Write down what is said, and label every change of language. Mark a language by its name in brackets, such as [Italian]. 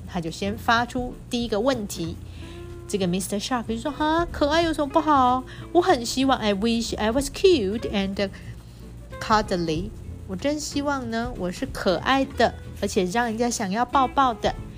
[Chinese] 他就先发出第一个问题。这个 Mr. Shark 就说，哈，可爱有什么不好？我很希望 [English] I wish I was cute and cuddly. [Chinese] 我真希望呢，我是可爱的，而且让人家想要抱抱的。